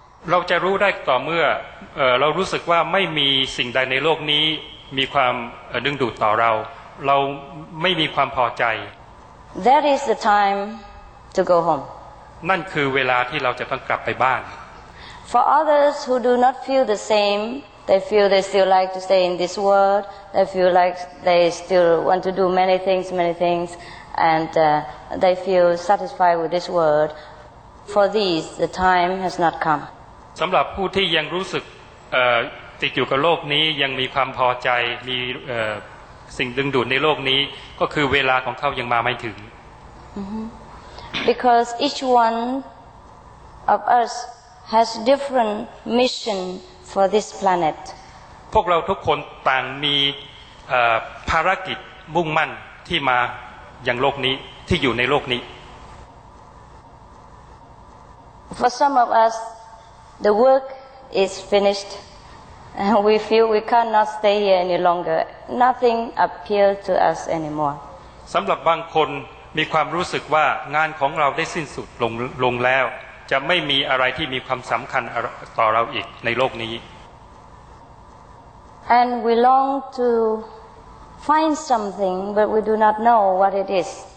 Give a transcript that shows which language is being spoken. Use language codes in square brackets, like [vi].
[th] เราจะรู้ได้ต่อเมื่อเรารู้สึกว่าไม่มีสิ่งใดในโลกนี้มีความดึงดูดต่อเราเราไม่มีความพอใจ [en] That is the time to go home [th] นั่นคือเวลาที่เราจะต้องกลับไปบ้าน [en] For others who do not feel the same they feel they still like to stay in this world they feel like they still want to do many things andthey feel satisfied with this world for these the time has not come [th] สําหรับผู้ที่ยังรู้สึกติดอยู่กับโลกนี้ยังมีความพอใจมีสิ่งดึงดูดในโลกนี้ก็คือเวลาของเขายังมาไม่ถึง [en] because each one of us has different mission for this planet [th] พวกเราทุกคนต่างมีภารกิจมุ่งมั่นที่มาอย่างโลกนี้ที่อยู่ในโลกนี้ [en] For some of us the work is finished. We feel we cannot stay here any longer. Nothing appeals to us anymore. [th] สำหรับบางคนมีความรู้สึกว่างานของเราได้สิ้นสุดลงแล้วจะไม่มีอะไรที่มีความสำคัญต่อเราอีกในโลกนี้ [en] And we long to find something, but we do not know what it is.